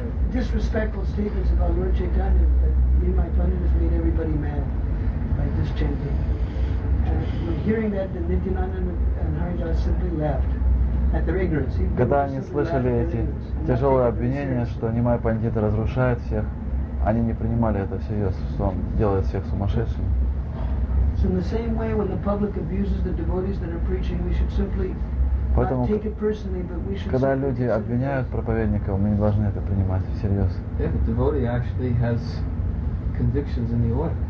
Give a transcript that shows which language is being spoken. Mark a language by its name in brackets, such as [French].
[English] Disrespectful statements about Lord Chaitanya that me and my Pandit has made everybody mad by this chanting. And when hearing that, the Nityananda and Haridas simply laughed. [Russian] Когда они слышали эти тяжелые обвинения, что Нимай Пандит разрушает всех, они не принимали это всерьез, что он делает всех сумасшедшими. [English] So in the same way, when the public abuses the devotees that are preaching, we should simply [Russian] Поэтому, [English] not take it personally, but we should. [Russian] Когда люди обвиняют проповедников, мы не должны это принимать всерьез. [English] If a devotee actually has convictions in the order.